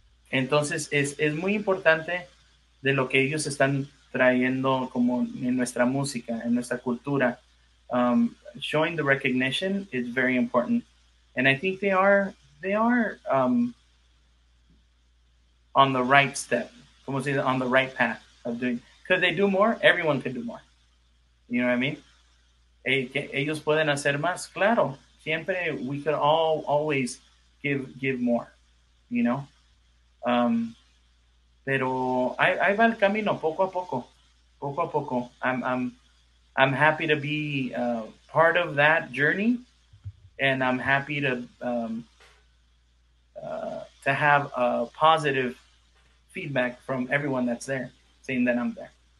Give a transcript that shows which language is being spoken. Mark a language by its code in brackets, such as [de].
[es] Entonces, es muy importante de lo que ellos están trayendo como en nuestra música, en nuestra cultura. [en] Showing the recognition is very important. And I think they are on the right step. [es] ¿Cómo se dice? [en] On the right path of doing. Could they do more? Everyone could do more. You know what I mean? [es] Ellos pueden hacer más? Claro. [en] Siempre we could all always give more, you know? [es] Pero ahí va el camino poco a poco. Poco a poco. [en] I'm happy to be part of that journey. And I'm happy to have a positive feedback from everyone that's there, saying that I'm there.